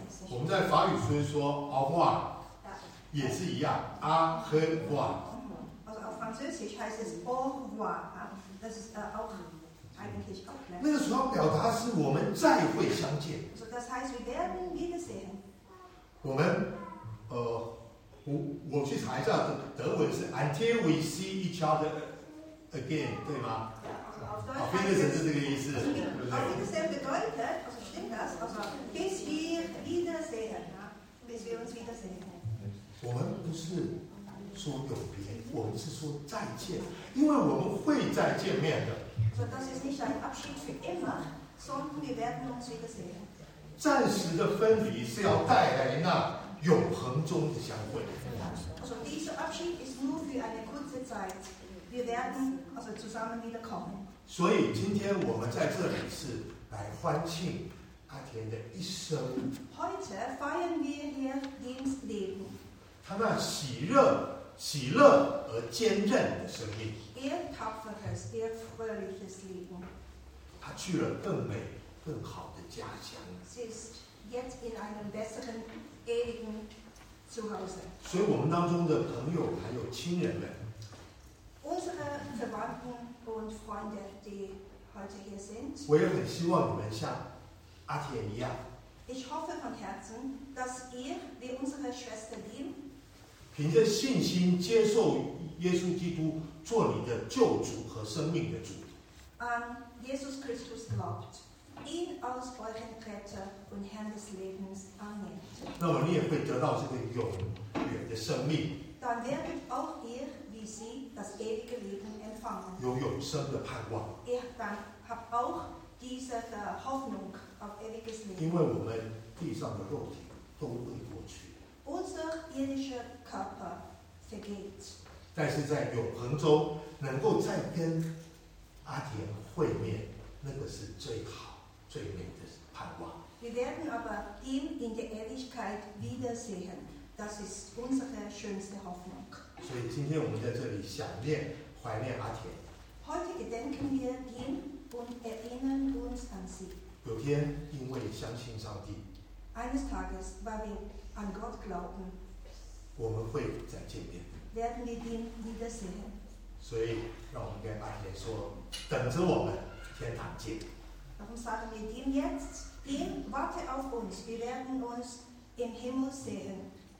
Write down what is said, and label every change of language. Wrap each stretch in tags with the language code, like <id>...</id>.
<zh>我们在法语中说 Au revoir, 也是一样 Au revoir.</zh> <de>Also auf Französisch heißt es Au revoir. Das ist auch eigentlich auch</de> <zh>gleich. 那个时候表达是我们再会相见。</zh> <de>So das heißt, wir werden wiedersehen.</de> <zh>我们我去查一下德文是</zh> <en>Until we see each other.</en> <zh>Again, 对吗？好，非常是这个意思，对不对？好，非常</zh> <de>bedeutet, also stimmt das, also bis wir wiedersehen,</de> <zh>我们不是说永别，我们是说再见，因为我们会再见面的。</zh> <de>So das ist nicht ein Abschied für immer, sondern wir werden uns wiedersehen.</de> <zh>暂时的分离是要带来那永恒中的相会。</zh> <de>So dieser Abschied ist nur für eine kurze Zeit. Wir werden also zusammen wiederkommen.</de> <zh>所以今天我们在这里是来欢庆阿田的一生。</zh> <de>Heute feiern wir hier Dins Leben.</de> <zh>他那喜乐而坚韧的生命。</zh> <de>Ihr tapferes, ihr fröhliches Leben.</de> <zh>他去了更美、更好的家乡。</zh> <de>Sie ist jetzt in einem besseren, ewigen Zuhause.</de> <zh>所以我们当中的朋友还有亲人们。</zh> <de>Unsere Verwandten und Freunde, die heute hier sind,</de> <zh>我也很希望你们像阿田一样。</zh> <de>Ich hoffe von Herzen, dass ihr wie unsere Schwester Lin,</de> <zh>凭着信心接受耶稣基督做你的救主和生命的主。</zh> <de>An Jesus Christus glaubt, ihn als euren Retter und Herrn des Lebens annimmt.</de> <zh>那么你也会得到这个永远的生命。</zh> <de>Dann werdet auch ihr wie sie das ewige Leben empfangen.</de> <zh>有永生的盼望。</zh> <de>Ihr dann habt auch diese Hoffnung auf ewiges Leben.</de> <zh>因为我们地上的肉体都会过去。</zh> <de>Unser irdischer Körper vergeht.</de> <zh>但是在永恒中能够再跟阿田会面，那个是最好最美的盼望。</zh> <de>Wir werden aber ihn in der Ewigkeit wiedersehen. Das ist unsere schönste Hoffnung.</de> <zh>所以今天我们在这里想念、怀念阿田。</zh> <de>Heute gedenken wir ihn und erinnern uns an sie.</de> <zh>有天因为相信上帝。</zh> <de>Eines Tages, weil wir an Gott glauben.</de> <zh>我们会再见面。</zh> <de>Werden wir ihn wiedersehen.</de> <zh>所以让我们跟阿田说，等着我们，天堂见。</zh> <de>Darum sagen wir ihm jetzt, ihm warte auf uns, wir werden uns im Himmel sehen.</de>